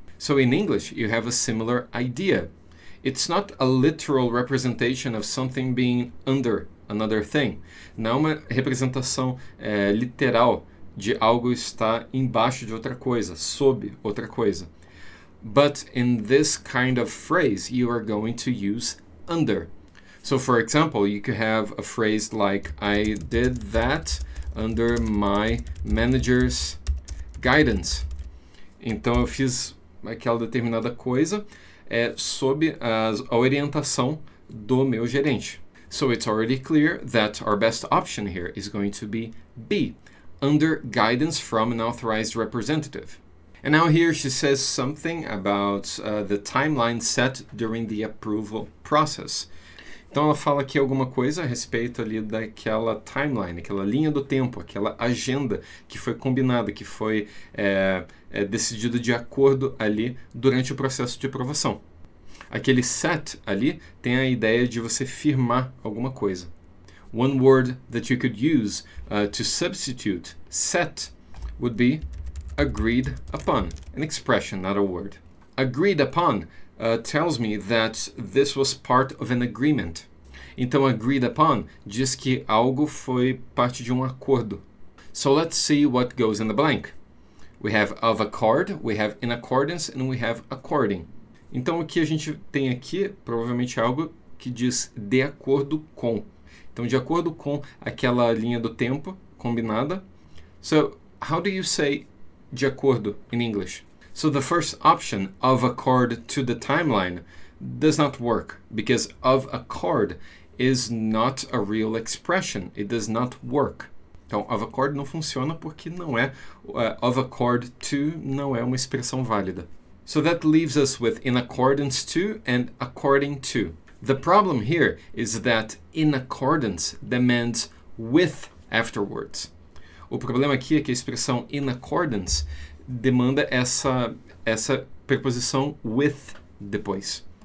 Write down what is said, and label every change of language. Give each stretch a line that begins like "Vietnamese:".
English: So in English, you have a similar idea. It's not a literal representation of something being under another thing.
Portuguese: Não é uma representação literal de algo estar embaixo de outra coisa, sob outra coisa.
English: But in this kind of phrase, you are going to use under. So for example, you could have a phrase like, I did that under my manager's guidance.
Portuguese: Então eu fiz aquela determinada coisa sob a orientação do meu gerente.
English: So it's already clear that our best option here is going to be B, under guidance from an authorized representative. And now here she says something about the timeline set during the approval process.
Portuguese: Então ela fala aqui alguma coisa a respeito ali daquela timeline, aquela linha do tempo, aquela agenda que foi combinada, que foi decidida de acordo ali durante o processo de aprovação. Aquele set ali tem a ideia de você firmar alguma coisa.
English: One word that you could use to substitute set would be agreed upon, an expression, not a word. Agreed upon tells me that this was part of an agreement.
Portuguese: Então, agreed upon diz que algo foi parte de um acordo.
English: So let's see what goes in the blank. We have of accord, we have in accordance, and we have according.
Portuguese: Então, o que a gente tem aqui, provavelmente, algo que diz de acordo com. Então, de acordo com aquela linha do tempo combinada.
English: So, how do you say
Portuguese: de acordo
English: in English? So the first option, of accord to the timeline, does not work because of accord is not a real expression. It does not work.
Portuguese: Então, of accord não funciona porque não é, of accord to não é uma expressão válida.
English: So that leaves us with in accordance to and according to. The problem here is that in accordance demands with afterwards.
Portuguese: O problema aqui é que a expressão in accordance demanda essa preposição with depois.